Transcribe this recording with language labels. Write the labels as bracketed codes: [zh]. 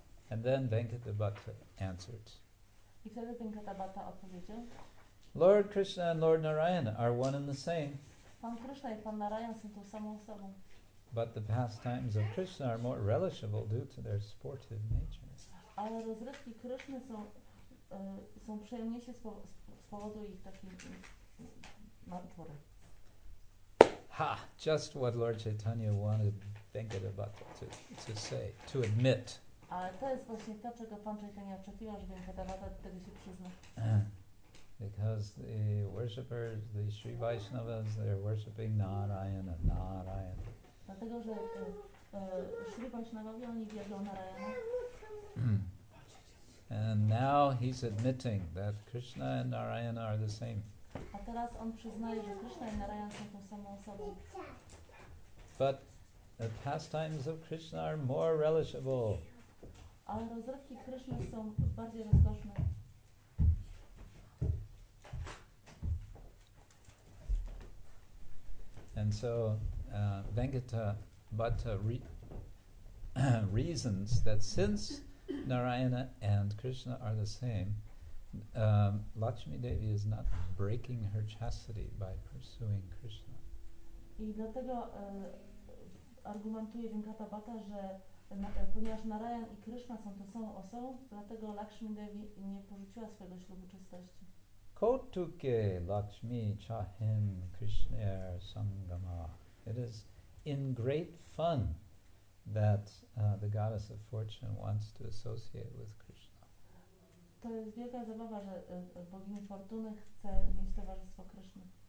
[en] And then Venkata Bhatta answered. [pl] I wtedy Venkata Bhatta odpowiedział. [en] Lord Krishna and Lord Narayana are one and the same. [pl] Pan Krishna i Pan Narayan są tą samą osobą. [en] But the pastimes of Krishna are more relishable due to their sportive nature. [pl] Ale rozrywki Krishna są są przyjemniejsze z powodu ich takich. Ha! [en] Just what Lord Chaitanya wanted Venkata Bhatta to say, to admit. [pl] Ale to jest właśnie to, czego Pan Chaitanya oczekiwał, że Venkata Bhatta do tego się przyzna. [en] because the worshippers, the Sri Vaishnavas, they're worshipping Narayana, Narayana. [pl] Dlatego, że Sri Vaishnavowie, oni wierzą Narayana. [en] And now he's admitting that Krishna and Narayana are the same. [pl] A teraz on przyznaje, że Krishna i Narayana są tą samą osobą. [en] But the pastimes of Krishna are more relishable. [pl] Ale rozrywki Krishna są bardziej rozkoszne. [en] And so Venkata Bhatta reasons that since Narayana and Krishna are the same, Lakshmi Devi is not breaking her chastity by pursuing Krishna. [pl] I dlatego argumentuje Venkata Bhatta, że ponieważ Narayana i Krishna są tą samą osobą, dlatego Lakshmi Devi nie porzuciła swojego ślubu czystości. [bn] Kotuke Lakshmi Chahim Krishner Sangama. [en] It is in great fun that the goddess of fortune wants to associate with Krishna. [pl] To jest wielka zabawa, że bogini fortuny chce mieć towarzystwo Krishna.